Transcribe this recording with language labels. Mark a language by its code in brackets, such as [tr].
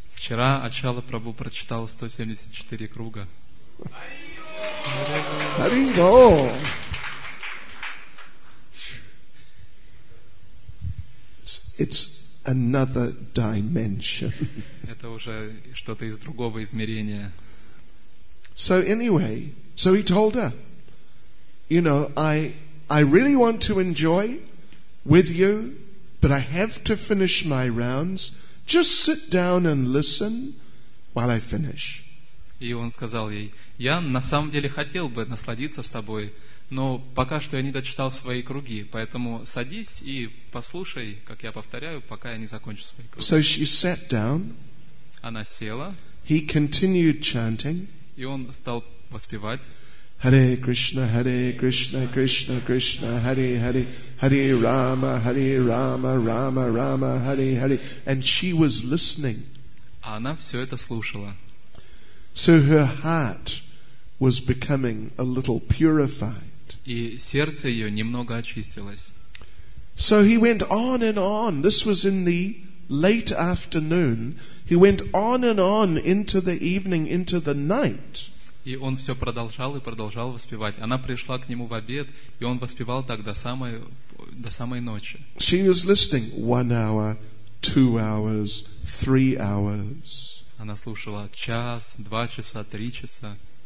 [ru] Вчера Ачала Прабху прочитал 174 круга. Харибо! [en] It's another dimension. [ru] Это уже что-то из другого измерения. [en] So anyway, so he told her, you know, I really want to enjoy with you, but I have to finish my rounds. Just sit down and listen while I finish. [ru] И он сказал ей: я на самом деле хотел бы насладиться с тобой, но пока что я не дочитал свои круги, поэтому садись и послушай, как я повторяю, пока я не закончу свои круги. [en] So she sat down. [ru] Она села. [en] He continued chanting. [ru] И он стал воспевать. [sa] Hare Krishna, Hare Krishna, Krishna Krishna, Hare Hare, Hare Rama, Hare Rama, Rama Rama, Hare Hare. [en] And she was listening. [ru] А она все это слушала. [en] So her heart was becoming a little purified. [ru] И сердце ее немного очистилось. [en] So he went on and on. This was in the late afternoon. He went on and on into the evening, into the night. [ru] И он все продолжал и продолжал воспевать. Она пришла к нему в обед, и он воспевал так до самой ночи. [en] She was listening 1 hour, 2 hours, 3 hours. [ru] Она слушала час, 2 часа, 3 часа.